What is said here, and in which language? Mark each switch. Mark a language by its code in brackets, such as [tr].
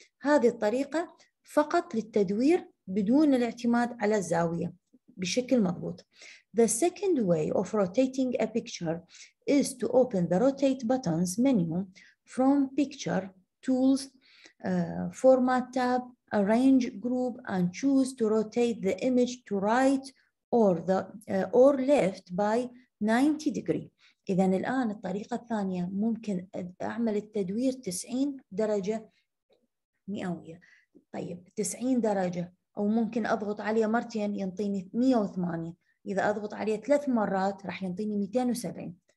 [ar] هذه الطريقة فقط للتدوير بدون الاعتماد على الزاوية بشكل مضبوط. [en] The second way of rotating a picture is to open the rotate buttons menu from picture tools, format tab, arrange group, and choose to rotate the image to right or the or left by 90 degree. [ar] إذا الآن الطريقة الثانية ممكن أعمل التدوير 90 درجة مئوية. طيب 90 درجة أو ممكن أضغط عليه مرتين ينطيني 180، إذا أضغط عليه ثلاث مرات راح ينطيني 270.